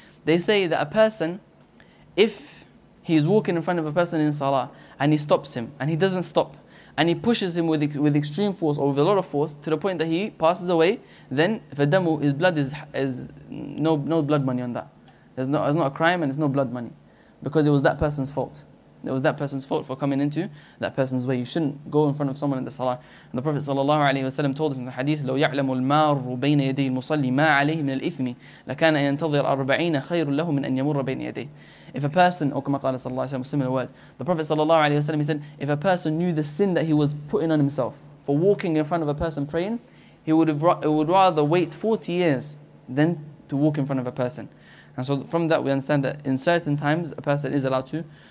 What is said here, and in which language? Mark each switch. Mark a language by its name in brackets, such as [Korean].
[English] They say that a person, if he's walking in front of a person in salah and he stops him and he doesn't stop and he pushes him with extreme force or with a lot of force to the point that he passes away, then fadamu, his blood is no blood money on that. There's not a crime and it's no blood money because it was that person's fault. It was that person's fault for coming into that person's way. You shouldn't go in front of someone in the salah. And the Prophet sallallahu alaihi wasallam told us in the hadith, [Arabic] لو يعلم المار بين يدي المصلي ما عليه من الإثم لكان ينتظر أربعين خير له من أن يمر بين يديه. [English] If a person, [Arabic] أو كما قال صلى الله عليه وسلم, [English] similar word. The Prophet sallallahu alaihi wasallam, he said, if a person knew the sin that he was putting on himself for walking in front of a person praying, he would rather wait 40 years than to walk in front of a person. And so from that we understand that in certain times a person is allowed to